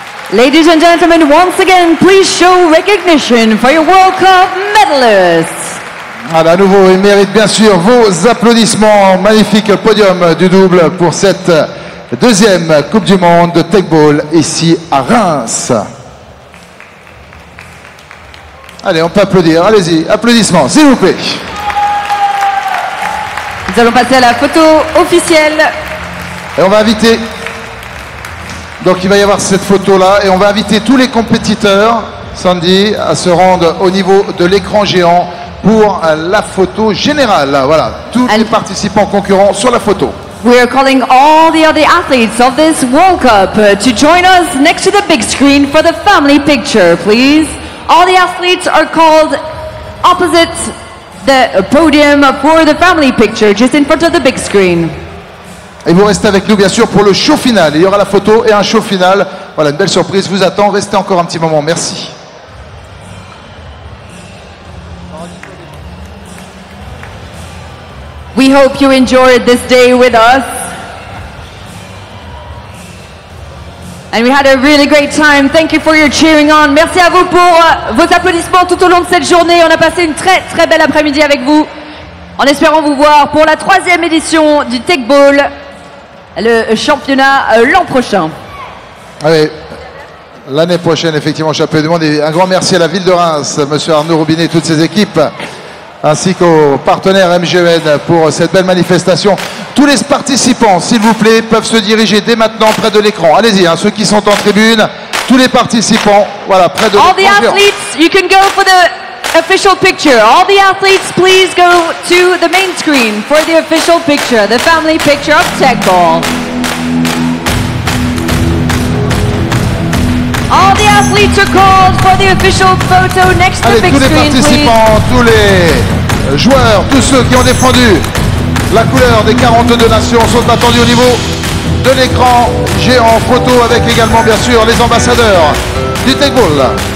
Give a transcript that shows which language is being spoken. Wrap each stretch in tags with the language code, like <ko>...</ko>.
<en>Ladies and gentlemen, once again, please show recognition for your World Cup medalists.</en> <fr>Alors, à nouveau, il mérite bien sûr vos applaudissements. Magnifique podium du double pour cette deuxième Coupe du Monde de Teqball ici à Reims. Allez, on peut applaudir. Allez-y, applaudissements, s'il vous plaît. Nous allons passer à la photo officielle. Et on va inviter... Donc il va y avoir cette photo-là et on va inviter tous les compétiteurs, Sandy, à se rendre au niveau de l'écran géant pour la photo générale. Voilà, tous and les participants concurrents sur la photo.</fr> <en>We are calling all the other athletes of this World Cup to join us next to the big screen for the family picture, please. All the athletes are called opposite the podium for the family picture just in front of the big screen.</en> <fr>Et vous restez avec nous, bien sûr, pour le show final. Il y aura la photo et un show final. Voilà, une belle surprise vous attend. Restez encore un petit moment. Merci.</fr> <en>We hope you enjoyed this day with us. And we had a really great time. Thank you for your cheering on.</en> <fr>Merci à vous pour vos applaudissements tout au long de cette journée. On a passé une très, très belle après-midi avec vous. En espérant vous voir pour la troisième édition du Teqball. Le championnat l'an prochain. Allez, l'année prochaine, effectivement, championnat du monde. Un grand merci à la ville de Reims, monsieur Arnaud Robinet et toutes ses équipes, ainsi qu'aux partenaires MGN pour cette belle manifestation. Tous les participants, s'il vous plaît, peuvent se diriger dès maintenant près de l'écran. Allez-y, hein, ceux qui sont en tribune, tous les participants, voilà, près de</fr> <en>all</en> <fr>l'écran.</fr> <en>All the athletes, you can go for the official picture. All the athletes, please go to the main screen for the official picture, the family picture of Teqball. All the athletes are called for the official photo next to the big screen, please.</en> <fr>Tous les participants, tous les joueurs, tous ceux qui ont défendu la couleur des 42 nations sont attendus au niveau de l'écran géant photo avec également, bien sûr, les ambassadeurs du Teqball.</fr>